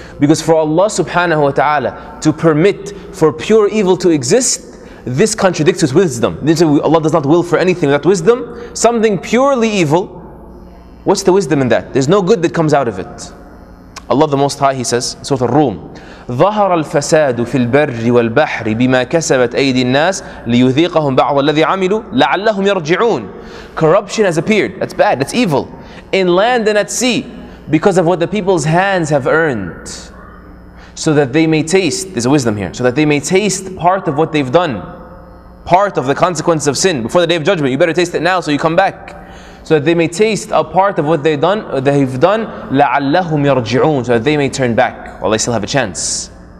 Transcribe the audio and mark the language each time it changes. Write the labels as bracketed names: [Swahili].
[English] Because for Allah subhanahu wa ta'ala to permit for pure evil to exist, this contradicts His wisdom. Allah does not will for anything without wisdom. Something purely evil, what's the wisdom in that? There's no good that comes out of it. Allah the Most High, He says, Surah Ar-Rum, [Arabic] ظهر الفساد في البر والبحر بما كسبت أيدي الناس ليذيقهم بعض الذي عملوا لعلهم يرجعون. [English] Corruption has appeared. That's bad. That's evil. In land and at sea, because of what the people's hands have earned, so that they may taste. There's a wisdom here. So that they may taste part of what they've done, part of the consequence of sin before the day of judgment. You better taste it now, so you come back. So that they may taste a part of what they've done, [Arabic] لَعَلَّهُمْ يَرْجِعُونَ, [English] so that they may turn back, while they still have a chance.